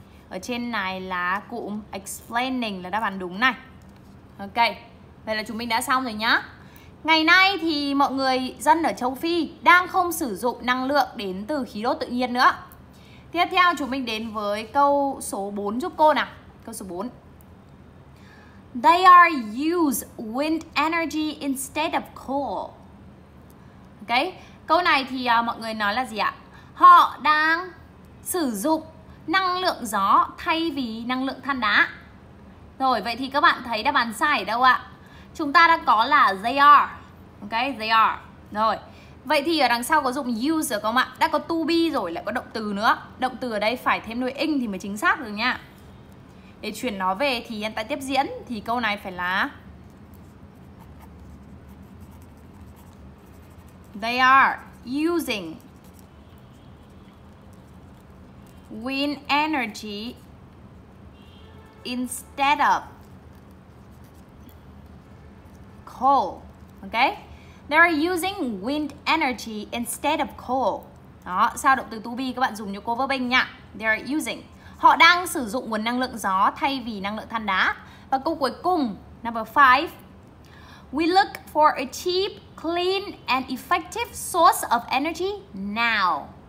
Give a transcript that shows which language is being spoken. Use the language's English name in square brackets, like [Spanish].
[Vietnamese] Ở trên này là cụm explaining là đáp án đúng này. Ok, vậy là chúng mình đã xong rồi nhá. Ngày nay thì mọi người dân ở châu Phi đang không sử dụng năng lượng đến từ khí đốt tự nhiên nữa. Tiếp theo chúng mình đến với câu số 4 giúp cô nào. Câu số 4. [English] They are use wind energy instead of coal. [Vietnamese] Ok, câu này thì mọi người nói là gì ạ? Họ đang sử dụng năng lượng gió thay vì năng lượng than đá. Rồi, vậy thì các bạn thấy đáp án sai ở đâu ạ? Chúng ta đã có là they are. Ok, they are. Rồi, Vậy thì ở đằng sau có dùng use rồi không ạ? Đã có to be rồi lại có động từ nữa. Động từ ở đây phải thêm đuôi ing thì mới chính xác được nha. Để chuyển nó về thì hiện tại tiếp diễn thì câu này phải là [English] they are using wind energy instead of coal. Okay? They are using wind energy instead of coal. [Vietnamese] Đó, sao động từ to be các bạn dùng cho cô verb nha. They are using. Họ đang sử dụng nguồn năng lượng gió thay vì năng lượng than đá. Và câu cuối cùng, number 5. [English] We look for a cheap, clean and effective source of energy now.